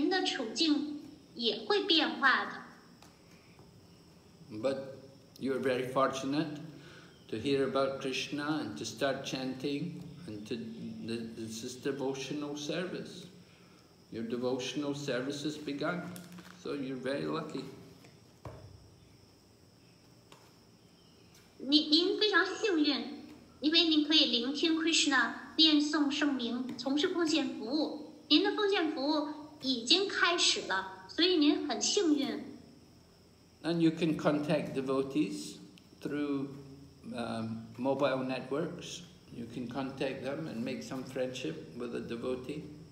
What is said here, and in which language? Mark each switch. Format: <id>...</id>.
<zh>所以呢，事情都在翻天覆地的发生变化，所以您的处境也会变化的。</zh> <en>But you are very fortunate to hear about Krishna and to start chanting and to this is devotional service. Your devotional service has begun, so you're very lucky.</en> <zh>您非常幸运，因为您可以聆听 Krishna 念诵圣名，从事奉献服务。您的奉献服务已经开始了，所以您很幸运。</zh> <en>And you can contact devotees through mobile networks. You can contact them and make some friendship with a devotee.</en>